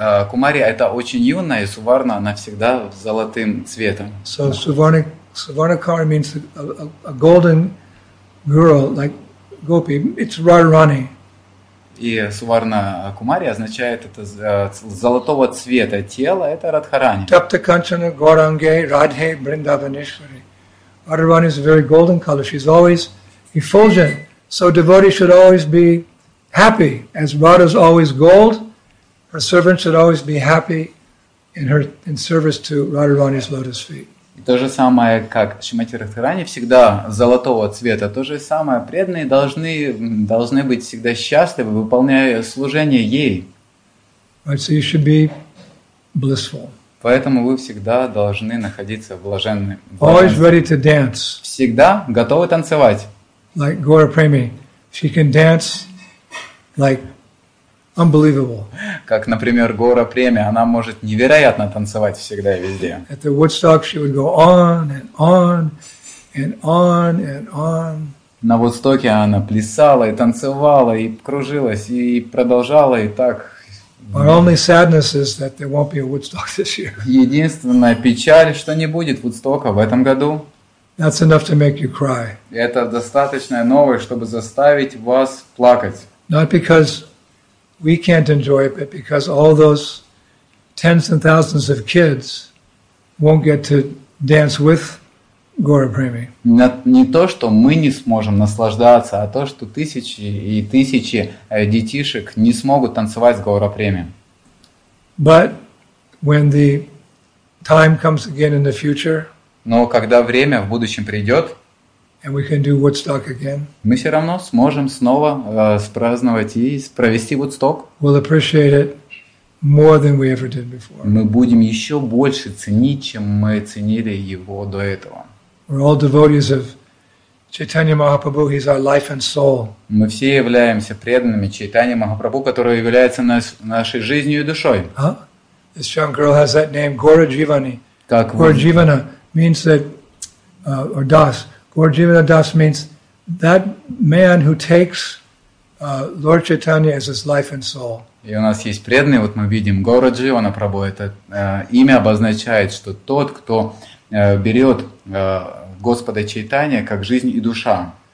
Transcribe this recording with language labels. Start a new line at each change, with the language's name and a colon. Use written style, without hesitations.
Russian: Кумари это очень юная, и Суварна она всегда золотым цветом.
English: So Suvarna Kumari means a golden girl like gopi. It's Radharani.
Russian: И Суварна Кумари означает это золотого цвета тело, это Радхарани.
Sanskrit: Tapta Kanchana Gaurange Radhe Vrindavaneshwari.
English: Radharani is a very golden color. She's always effulgent. So devotee should always be happy, as Radha is always gold. Her servant should always be happy in service to Radharani's lotus feet.
Russian: То же самое, как Шримати Радхарани всегда золотого цвета, то же самое преданные должны быть всегда счастливы, выполняя служение ей.
English: Right, so you should be blissful.
Russian: Поэтому вы всегда должны находиться в блаженном.
English: Always ready to dance.
Russian: Всегда готовы танцевать.
English: Like Gaura Premi, she can dance like unbelievable.
Russian: Как, например, Гора Преми, она может невероятно танцевать всегда и везде.
English: At the Woodstock she would go on and on and on and on.
Russian: На Вудстоке она плясала и танцевала и кружилась и продолжала и так.
English: My only sadness is that there won't be a Woodstock this year.
Russian: Единственная печаль, что не будет Вудстока в этом году.
English: That's enough to make you cry.
Russian: Это достаточная новость, чтобы заставить вас плакать.
English: Not because we can't enjoy it, but because all those tens and thousands of kids won't get to dance with Gaura Premi.
Russian: Не то, что мы не сможем наслаждаться, а то, что тысячи и тысячи детишек не смогут танцевать с Гаура Преми.
English: But when the time comes again in the future,
Russian: но когда время в будущем придет,
English: and we can do Woodstock again.
Russian: Мы все равно сможем снова спраздновать и провести Woodstock.
English: We'll appreciate it more than we ever did before.
Russian: Мы будем еще больше ценить, чем мы ценили его до этого.
English: We're all devotees of Chaitanya Mahaprabhu. He's our life and soul.
Russian: Мы все являемся преданными Чайтанья Махапрабху, который является нашей жизнью и душой. Huh?
English: This young girl has that name, Gaura Jivani. Gaura Jivana means that, or Das. Gaura Jivana Das means that man who takes Lord Chaitanya as his life and soul.
Russian: И у нас есть преданный, вот мы видим, Гаура Дживана Прабху, это имя обозначает, что тот, кто берет Господа Чайтанья как жизнь и душа.